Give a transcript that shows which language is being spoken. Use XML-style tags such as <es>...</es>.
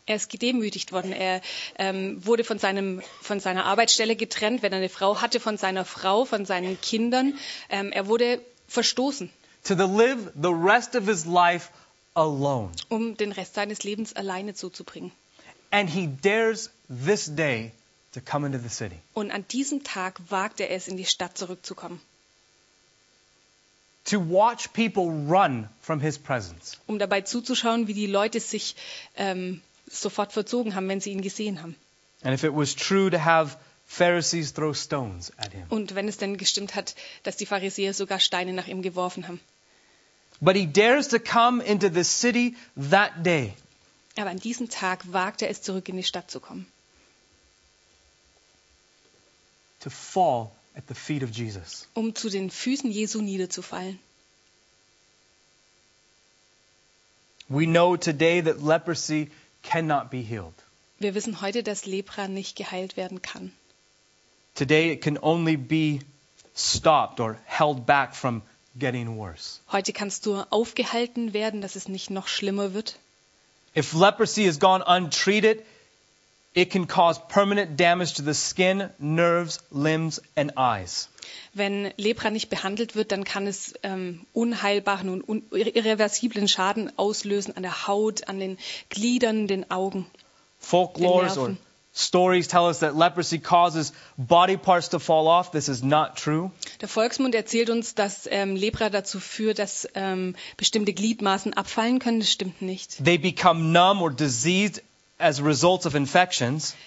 <de>Er ist gedemütigt worden. Er wurde von seiner Arbeitsstelle getrennt, wenn er eine Frau hatte, von seiner Frau, von seinen Kindern. Er wurde verstoßen.</de> <en>To live the rest of his life alone.</en> <de>Um den Rest seines Lebens alleine zuzubringen.</de> <en>And he dares this day to come into the city.</en> <de>Und an diesem Tag wagt er es, in die Stadt zurückzukommen.</de> <en>To watch people run from his presence.</en> <de>Um dabei zuzuschauen, wie die Leute sich sofort verzogen haben, wenn sie ihn gesehen haben.</de> <en>And if it was true to have Pharisees throw stones at him.</en> <de>Und wenn es denn gestimmt hat, dass die Pharisäer sogar Steine nach ihm geworfen haben.</de> <en>But he dares to come into the city that day.</en> <de>Aber an diesem Tag wagt er es, zurück in die Stadt zu kommen.</de> <en>To fall at the feet of Jesus.</en> <de>Um zu den Füßen Jesu niederzufallen.</de> <en>We know today that leprosy cannot be healed.</en> <de>Wir wissen heute, dass Lepra nicht geheilt werden kann.</de> <en>Today it can only be stopped or held back from getting worse.</en> <de>Heute kannst du aufgehalten werden, dass es nicht noch schlimmer wird.</de> <en>If leprosy has gone untreated, it can cause permanent damage to the skin, nerves, limbs and eyes.</en> <de>Wenn Lepra nicht behandelt wird, dann kann es unheilbaren und irreversiblen Schaden auslösen an der Haut, an den Gliedern, den Augen.</de> <en>Folklore or stories tell us that leprosy causes body parts to fall off. This is not true.</en> <de>Der Volksmund erzählt uns, dass Lepra dazu führt, dass bestimmte Gliedmaßen abfallen können. Das stimmt nicht.</de> <en>They become numb or diseased as a result of infections.</en>